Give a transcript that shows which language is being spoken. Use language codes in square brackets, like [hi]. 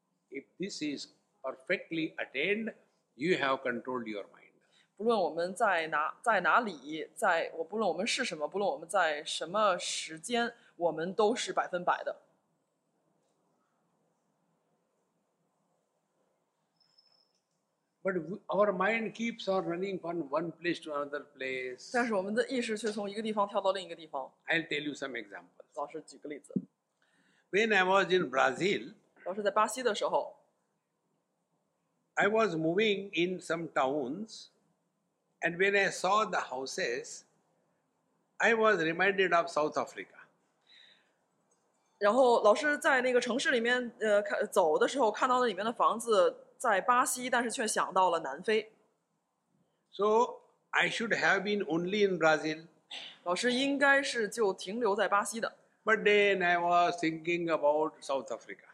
[en] If this is perfectly attained, you have controlled your mind. [zh] 不论我们在哪里，在我不论我们是什么，不论我们在什么时间，我们都是百分百的。 [en] But our mind keeps on running from one place to another place. [zh] 但是我们的意识却从一个地方跳到另一个地方。 [en] I'll tell you some examples. [zh] 老师举个例子。 [en] When I was in Brazil, [zh] 老师在巴西的时候 [en] I was moving in some towns, and when I saw the houses, I was reminded of South Africa. [zh] 然后老师在那个城市里面走的时候看到了里面的房子在巴西但是却想到了南非。 [en] So, I should have been only in Brazil. [zh] 老师应该是就停留在巴西的。 [en] But then I was thinking about South Africa.